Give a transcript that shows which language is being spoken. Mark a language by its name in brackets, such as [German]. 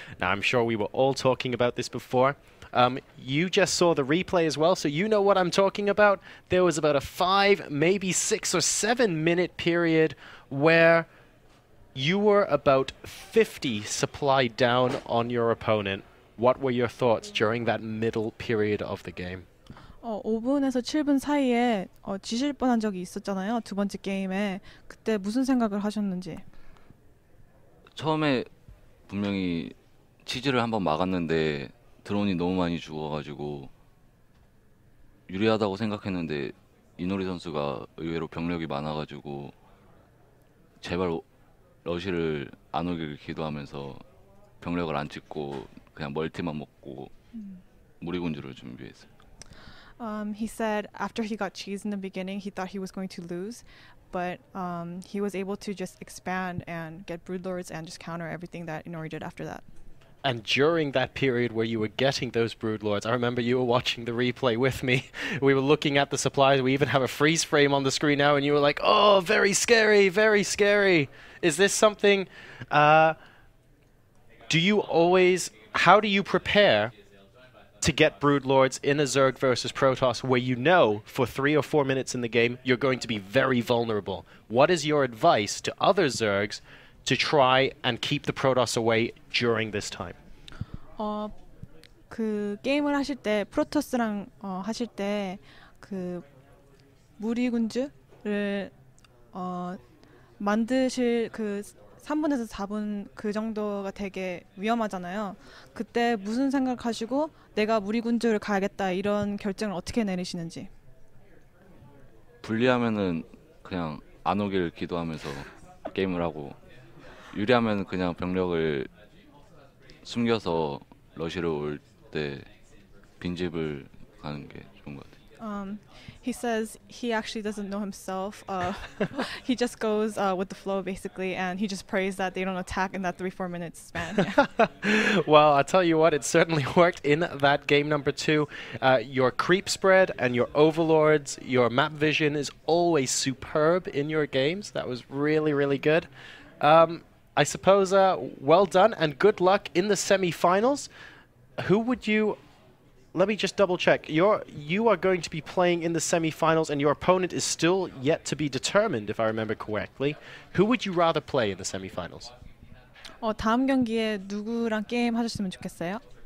[English] Now, I'm sure we were all talking about this before. You just saw the replay as well, so you know what I'm talking about. There was about a 5, maybe 6 or 7 minute period where you were about 50 supply down on your opponent. What were your thoughts during that middle period of the game? [Korean] 5분에서 7분 사이에 지실 뻔한 적이 있었잖아요. 두 번째 게임에 그때 무슨 생각을 하셨는지. 처음에 분명히 치즈를 한번 막았는데 드론이 너무 많이 죽어가지고 유리하다고 생각했는데 이노리 선수가 의외로 병력이 많아가지고 제발 러시를 안 오길 기도하면서 병력을 안 찍고 그냥 멀티만 먹고 무리군주를 준비했어요. [English] He said after he got cheese in the beginning, he thought he was going to lose, but he was able to just expand and get broodlords and just counter everything that Inori did after that. And during that period where you were getting those broodlords, I remember you were watching the replay with me. We were looking at the supplies. We even have a freeze frame on the screen now, and you were like, oh, very scary, very scary. Is this something, how do you prepare to get broodlords in a Zerg versus Protoss where you know for 3 or 4 minutes in the game you're going to be very vulnerable? What is your advice to other Zergs to try and keep the Protoss away during this time? [Korean] 그 게임을 하실 때 프로토스랑 하실 때 그 무리군주를 만드실 그 3분에서 4분 그 정도가 되게 위험하잖아요. 그때 무슨 생각 하시고 내가 무리군주를 가야겠다 이런 결정을 어떻게 내리시는지? 불리하면은 그냥 안 오길 기도하면서 게임을 하고, 유리하면 그냥 병력을 숨겨서 러시로 올 때 빈집을 가는 게 좋은 것 같아요. [English] He says he actually doesn't know himself. he just goes with the flow, basically, and he just prays that they don't attack in that 3-4 minutes span. Yeah. Well, I'll tell you what, it certainly worked in that game number two. Your creep spread and your overlords, your map vision is always superb in your games. That was really, really good. I suppose, well done and good luck in the semi-finals. Who would you... Let me just double check. You are going to be playing in the semi-finals and your opponent is still yet to be determined, if I remember correctly. Who would you rather play in the semi-finals? [Korean] 다음 경기에 누구랑 게임 하셨으면 좋겠어요?